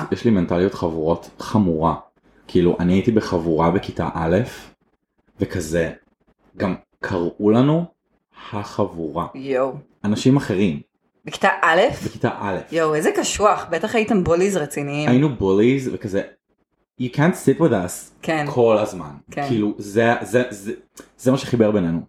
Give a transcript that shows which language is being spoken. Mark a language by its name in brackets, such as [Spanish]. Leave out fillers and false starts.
[Hebrew] יש לי מנטליות חבורות חמורה. כאילו, אני הייתי בחבורה בכיתה א', וכזה, גם קראו לנו החבורה. יו. אנשים אחרים. בכיתה א'? בכיתה א'. יו, איזה קשוח, בטח הייתם בוליז רציניים. היינו בוליז, וכזה, [English] you can't sit with us [Hebrew] כן. כל הזמן. כן. כאילו, זה מה שחיבר בינינו.